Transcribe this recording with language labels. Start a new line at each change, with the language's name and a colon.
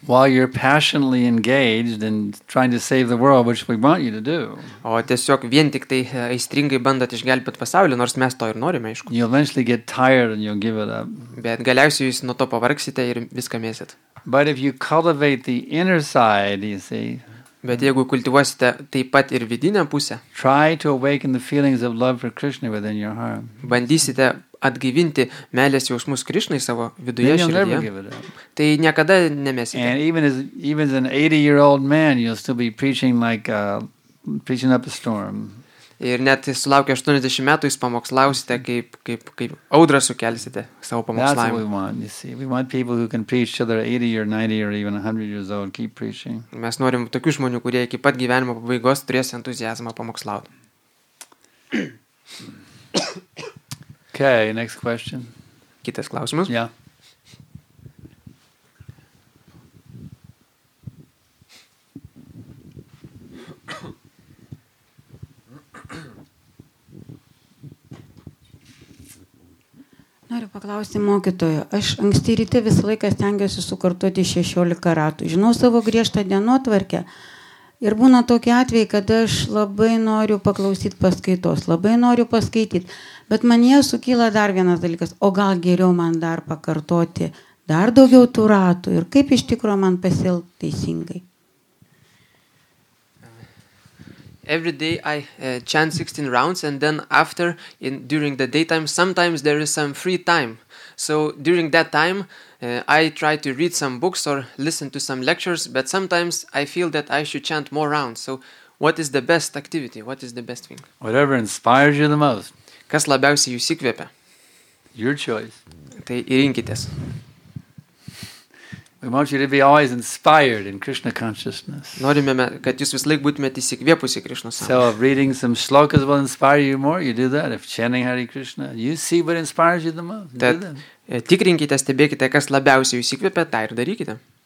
English: while you're passionately engaged in trying to save the world, which we want you to do,
Lithuanian: o tiesiog vien tik tai aistringai bandot išgelbėti pasaulį, nors mes to ir norime, aišku,
English: you'll eventually get tired and you'll give it up.
Lithuanian: Bet galiausiai jūs nuo to pavargsite ir viską mėsit.
English: But if you cultivate the inner side, you see,
Lithuanian: bet jeigu kultivuosite taip pat ir vidinę pusę,
English: try to awaken the feelings of love for Krishna within your heart.
Lithuanian: Bandysite atgyvinti meilės jausmus Krišnai savo viduje širdyje, tai niekada nemesite.
English: And even as an 80-year-old man, you'll still be preaching like preaching up a storm.
Lithuanian: Ir net sulaukę 80 metų jūs pamokslausite, kaip audrą sukelsite savo pamokslavimą.
English: That's what we want. You see, we want people who can preach till they're 80 or 90 or even 100 years old, keep preaching.
Lithuanian: Mes norim tokių žmonių, kurie iki pat gyvenimo pabaigos turės entuziazmą pamokslauti.
English: Okay, next question.
Lithuanian: Kitas klausimas?
English: Yeah.
Lithuanian: Noriu paklausti mokytojo. Aš anksti ryte visą laiką stengiuosi sukartuoti 16 ratų. Žinau savo griežtą dienotvarkę. Ir būna tokie atvejai, kad aš labai noriu paklausyti paskaitos, labai noriu paskaityti. Bet man jie sukyla dar vienas dalykas. O gal geriau man dar pakartoti dar daugiau tų ratų? Ir kaip iš tikrųjų man pasielgti teisingai?
English: Every day I chant 16 rounds and then after, during the daytime, sometimes there is some free time. So during that time, I try to read some books or listen to some lectures, but sometimes I feel that I should chant more rounds. So what is the best activity? What is the best thing? Whatever inspires you the most.
Lithuanian: Kas labiausiai jūs įkvėpia?
English: Your choice.
Lithuanian: Tai įrinkitės.
English: We want you to be always inspired in Krishna consciousness.
Lithuanian: Norime, kad jūs vis laik būtumėte įsikvėpusi Krishnos sąmonę.
English: So reading some shlokas will inspire you more, you do that. If chanting Hare Krishna, you see what inspires you the most, do that.
Lithuanian: Tikrinkite, stebėkite, kas labiausiai jūs įkvėpia, tai ir darykite.